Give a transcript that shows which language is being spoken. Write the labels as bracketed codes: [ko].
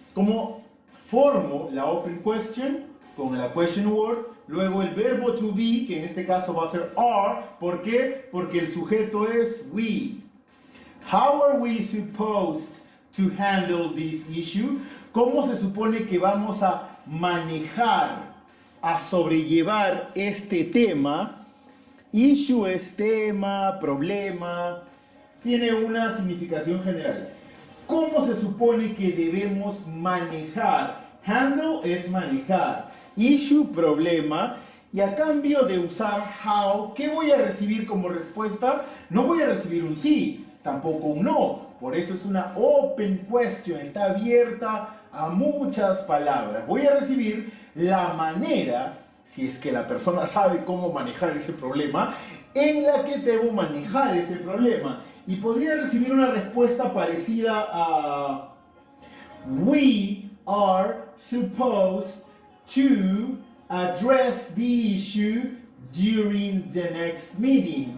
[es] ¿Cómo formo la open question con la question word? Luego el verbo to be, que en este caso va a ser are. ¿Por qué? Porque el sujeto es we. [en] How are we supposed to handle this issue? [es] ¿Cómo se supone que vamos a manejar, a sobrellevar este tema? Issue es tema, problema, tiene una significación general. ¿Cómo se supone que debemos manejar? Handle es manejar. Issue, problema. Y a cambio de usar how, ¿qué voy a recibir como respuesta? No voy a recibir un sí, tampoco un no. Por eso es una open question, está abierta a muchas palabras. Voy a recibir la manera, si es que la persona sabe cómo manejar ese problema, en la que debo manejar ese problema. Y podría recibir una respuesta parecida a... [en] We are supposed to address the issue during the next meeting.